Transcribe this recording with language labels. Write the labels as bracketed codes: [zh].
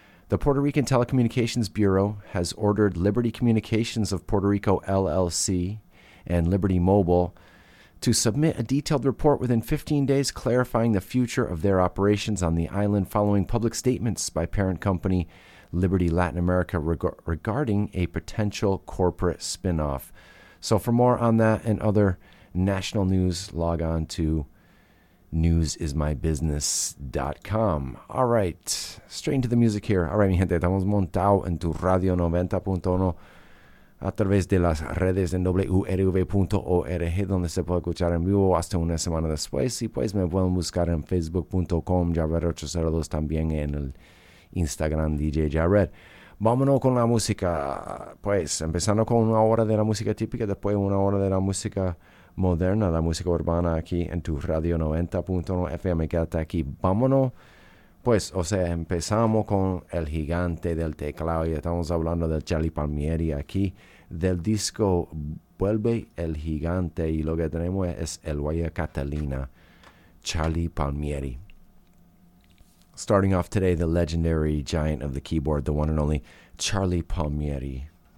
[en] The Puerto Rican Telecommunications Bureau has ordered Liberty Communications of Puerto Rico LLC and Liberty Mobile to submit a detailed report within 15 days clarifying the future of their operations on the island following public statements by parent company Liberty Latin America regarding a potential corporate spinoff. So for more on that and other national news, log on to newsismybusiness.com. All right, straight into the music here. All right, [es] mi gente, estamos montado en tu radio 90.1 a través de las redes en wrv.org, donde se puede escuchar en vivo hasta una semana después. Y pues me pueden buscar en facebook.com, Jared802, también en el Instagram DJ Jared. Vámonos con la música, pues empezando con una hora de la música típica, después una hora de la música moderna, la música urbana aquí en tu radio 90.1 FM. Quédate aquí. Vámonos, pues, o sea, empezamos con el gigante del teclado y estamos hablando del Charlie Palmieri aquí, del disco Vuelve el Gigante, y lo que tenemos es el Guaya Catalina, Charlie Palmieri. [en] Starting off today, the legendary giant of the keyboard, the one and only Charlie Palmieri.